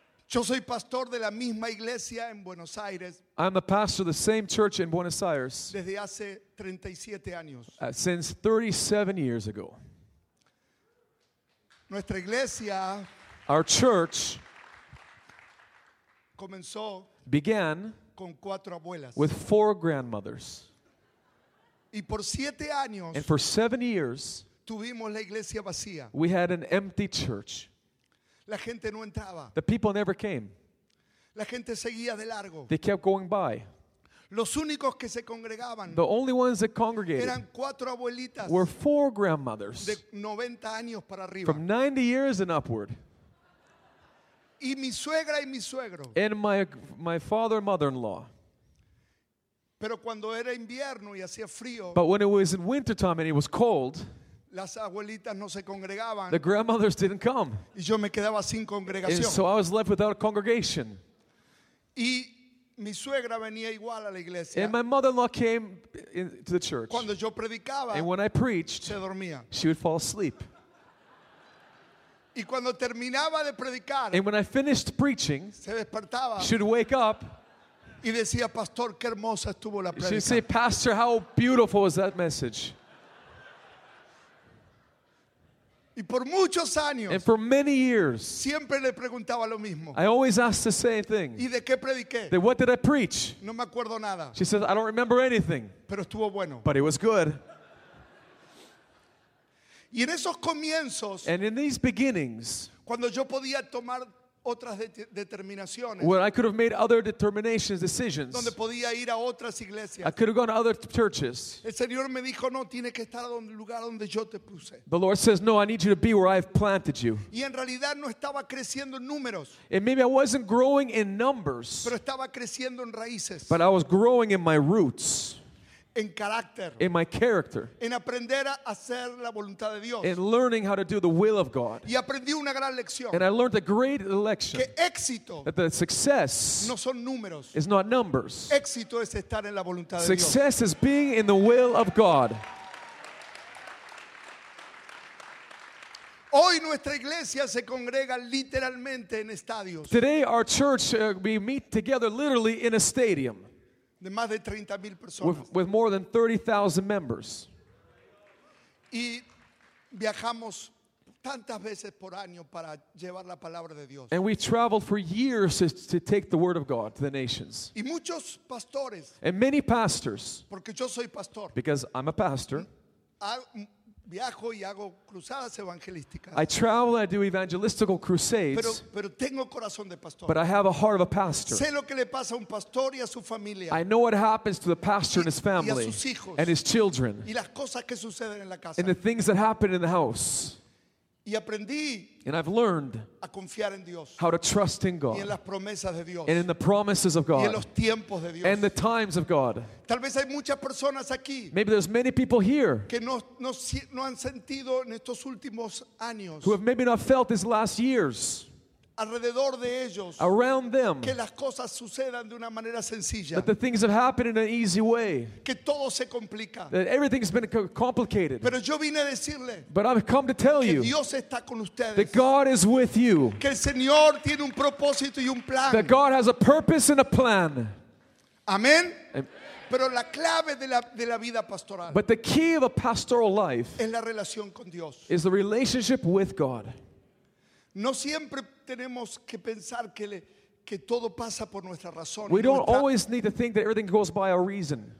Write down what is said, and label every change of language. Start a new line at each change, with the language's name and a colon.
Spanish: Yo soy pastor de la misma iglesia en Buenos Aires.
English: I'm the pastor of the same church in Buenos Aires.
Spanish: Desde hace 37 años.
English: Since 37 years ago.
Spanish: Nuestra iglesia.
English: Our church.
Spanish: Comenzó.
English: Began.
Spanish: Con cuatro abuelas.
English: With four grandmothers.
Spanish: Y por 7 años.
English: And for 7 years.
Spanish: Tuvimos la iglesia vacía.
English: We had an empty church.
Spanish: La gente no entraba.
English: The people never came.
Spanish: La gente seguía de largo.
English: They kept going by.
Spanish: Los únicos que se congregaban,
English: the only ones that congregated,
Spanish: eran cuatro abuelitas,
English: were four grandmothers,
Spanish: de 90 años para arriba,
English: from 90 years and upward.
Spanish: Y mi suegra y mi suegro,
English: and my father and mother-in-law.
Spanish: Pero cuando era invierno y hacía frío,
English: but when it was in winter time and it was cold,
Spanish: las abuelitas no se congregaban.
English: The grandmothers didn't come.
Spanish: Y yo me quedaba sin congregación.
English: And so I was left without a congregation.
Spanish: Y mi suegra venía igual a la iglesia.
English: And my mother-in-law came to the church.
Spanish: Cuando yo predicaba,
English: and when I preached,
Spanish: se dormía.
English: She would fall asleep.
Spanish: Y cuando terminaba de predicar,
English: and when I finished preaching,
Spanish: se despertaba.
English: She would wake up.
Spanish: Y decía, pastor, qué hermosa estuvo la predica.
English: She'd say, pastor, how beautiful was that message.
Spanish: Y por muchos años,
English: and for many years,
Spanish: siempre le preguntaba lo mismo.
English: I always asked the same thing.
Spanish: ¿Y de qué prediqué?
English: Then what did I preach?
Spanish: No me acuerdo nada.
English: She says, I don't remember anything.
Spanish: Pero estuvo bueno.
English: But it was good.
Spanish: Y en esos comienzos,
English: and in these beginnings,
Spanish: cuando yo podía tomar otras determinaciones,
English: where I could have made other determinations, decisions,
Spanish: donde podía ir a otras iglesias,
English: I could have gone to other churches.
Spanish: El Señor me dijo, no, tienes que estar donde lugar donde yo te puse.
English: The Lord says, no, I need you to be where I've planted you.
Spanish: Y en realidad no estaba creciendo en números.
English: And maybe I wasn't growing in numbers.
Spanish: Pero estaba creciendo en raíces.
English: But I was growing in my roots.
Spanish: En carácter.
English: In my character.
Spanish: En aprender a hacer la voluntad de Dios.
English: In learning how to do the will of God.
Spanish: Y aprendí una gran lección.
English: And I learned a great lection.
Spanish: Que éxito.
English: That the success.
Spanish: No son números.
English: Is not numbers.
Spanish: Éxito es estar en la voluntad de Dios.
English: Success is being in the will of God.
Spanish: Hoy nuestra iglesia se congrega literalmente en estadios.
English: Today our church we meet together literally in a stadium.
Spanish: De más de 30,000 personas.
English: With more than 30,000 members.
Spanish: Y viajamos tantas veces por año para llevar la palabra de Dios.
English: And we traveled for years to take the word of God to the nations.
Spanish: Y muchos pastores.
English: And many pastors.
Spanish: Porque yo soy pastor.
English: Because I'm a pastor.
Spanish: Viajo y hago cruzadas evangelísticas.
English: I travel and I do evangelistical crusades.
Spanish: Pero tengo corazón de pastor.
English: But I have a heart of a pastor.
Spanish: Sé lo que le pasa a un pastor y a su familia.
English: I know what happens to the pastor and his family.
Spanish: Y a sus hijos.
English: And his children.
Spanish: Y las cosas que suceden en la casa.
English: And the things that happen in the house.
Spanish: Y aprendí.
English: And I've learned.
Spanish: A confiar en Dios.
English: How to trust in God.
Spanish: Y en las promesas de Dios.
English: And in the promises of God.
Spanish: Y en los tiempos de Dios.
English: And the times of God.
Spanish: Tal vez hay muchas personas aquí.
English: Maybe there's many people here.
Spanish: Que no han sentido en estos últimos años.
English: Who have maybe not felt these last years.
Spanish: Alrededor de ellos.
English: Around them.
Spanish: Que las cosas sucedan de una manera sencilla.
English: That the things have happened in an easy way.
Spanish: Que todo se complica.
English: That everything's been complicated.
Spanish: Pero yo vine a decirle.
English: But I've come to tell
Spanish: que
English: you.
Spanish: Que Dios está con ustedes.
English: That God is with you.
Spanish: Que el Señor tiene un propósito y un plan.
English: That God has a purpose and a plan.
Spanish: Amén. Pero la clave de la vida pastoral.
English: But the key of a pastoral life.
Spanish: Es la relación con Dios.
English: Is the relationship with God.
Spanish: No siempre tenemos que pensar que todo pasa por nuestra razón.
English: We don't always need to think that everything goes by our reason.